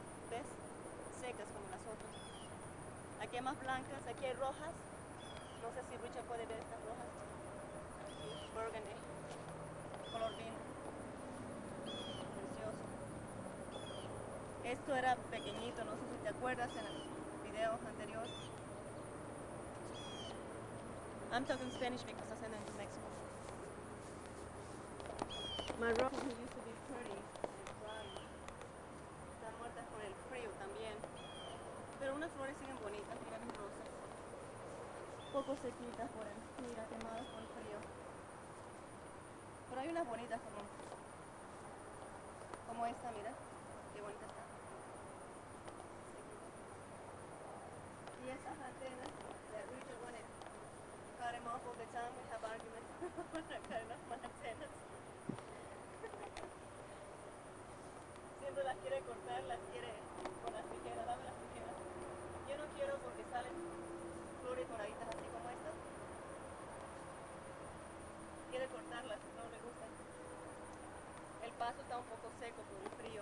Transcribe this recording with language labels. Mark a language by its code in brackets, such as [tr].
[es] ¿Ves? Secas como las otras. Aquí hay más blancas, aquí hay rojas. No sé si Richard puede ver estas rojas. Aquí, burgundy, color vino. Precioso. Esto era pequeñito, no sé si te acuerdas en el video anterior. [en] I'm talking Spanish because I send them to Mexico. My rojas used to be pretty and dry. [es] Están muertas por el frío también. Pero unas flores siguen bonitas, mira mis rosas. Poco sequitas por el, mira, quemadas por el frío. Pero hay unas bonitas como esta, mira, qué bonita está. Y esas antenas, [en] that Richard wanted to cut them off all the time, we have arguments. Cutting off my antenas. [es] Siempre las quiere cortar, las quiere con las tijeras, dame las tijeras. Yo no quiero porque salen flores moraditas así como estas. Quiere cortarlas, no le gusta. El paso está un poco seco por el frío.